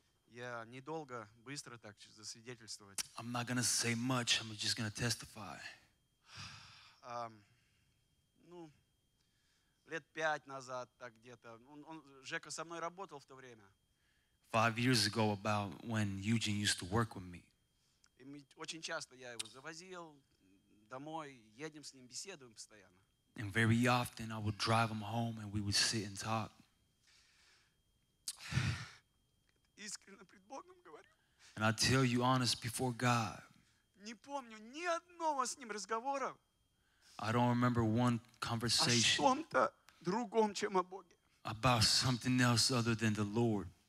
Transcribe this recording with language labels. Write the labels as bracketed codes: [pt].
[ru] Я недолго, быстро так засвидетельствовать. [en] I'm not gonna say much. I'm just gonna testify. [ru] Лет пять назад, так где-то. Жека со мной работал в то время. [en] 5 years ago, about when Eugene used to work with me. [ru] И мы очень часто я его завозил домой, едем с ним, беседуем постоянно. [en] And very often I would drive him home and we would sit and talk. [ru] Искренне пред Богом говорю. [en] And I tell you honest before God. [ru] Не помню ни одного с ним разговора. [en] I don't remember one conversation [ru] другом, чем о Боге. [en] About something else other than the Lord.